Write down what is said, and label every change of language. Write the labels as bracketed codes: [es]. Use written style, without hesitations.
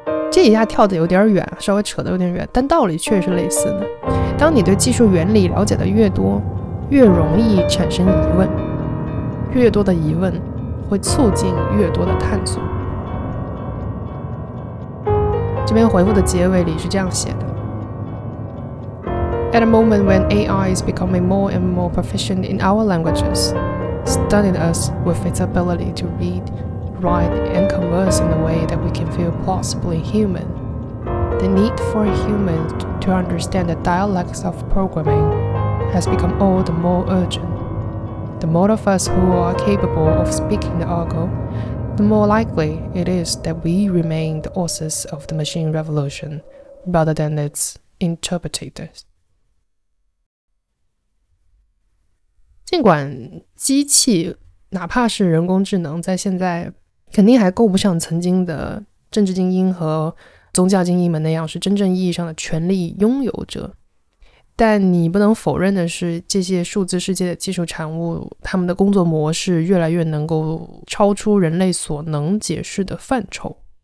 [zh] 这一下跳得有点远，稍微扯得有点远，但道理确实类似的。当你对技术原理了解的越多，越容易产生疑问，越多的疑问会促进越多的探索。这边回复的结尾里是这样写的， [en] At a moment when AI is becoming more and more proficient in our languages, stunning us with its ability to readwrite and converse in a way that we can feel plausibly human. The need for humans to understand the dialects of programming has become all the more urgent. The more of us who are capable of speaking the Argo, the more likely it is that we remain the authors of the machine revolution rather than its interpreters. [zh] 尽管机器哪怕是人工智能在现在肯定还够不上曾经的政治精英和宗教精英们那样是真正意义上的权力拥有者，但你不能否认的是，这些数字世界的技术产物，他们的工作模式越来越能够超出人类所能解释的范畴。